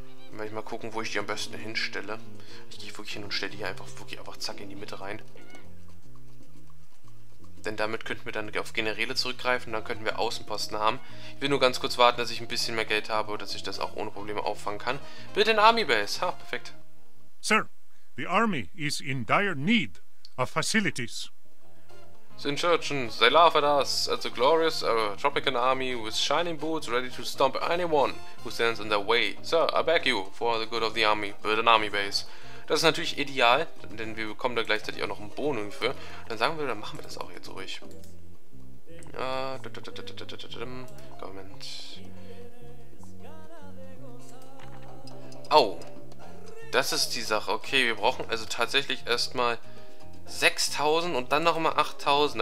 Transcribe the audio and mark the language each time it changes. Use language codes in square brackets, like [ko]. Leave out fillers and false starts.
[de] Dann werde ich mal gucken, wo ich die am besten hinstelle. Ich gehe wirklich hin und stelle die hier einfach wirklich einfach zack in die Mitte rein. Denn damit könnten wir dann auf Generäle zurückgreifen, dann könnten wir Außenposten haben. Ich will nur ganz kurz warten, dass ich ein bisschen mehr Geld habe, dass ich das auch ohne Probleme auffangen kann. Bitte in Army Base. Ha, perfekt. [en] Sir. The army is in dire need of facilities. The insurgents, they laugh at us, at the glorious tropical army with shining boots ready to stomp anyone who stands in their way. Sir, I beg you, for the good of the army, build an army base. [de] Das ist natürlich ideal, denn wir bekommen da gleichzeitig auch noch einen Bonus für. Dann sagen wir, dann machen wir das auch jetzt ruhig. Government. Oh, das ist die Sache. Okay, wir brauchen also tatsächlich erstmal 6.000 und dann nochmal 8.000.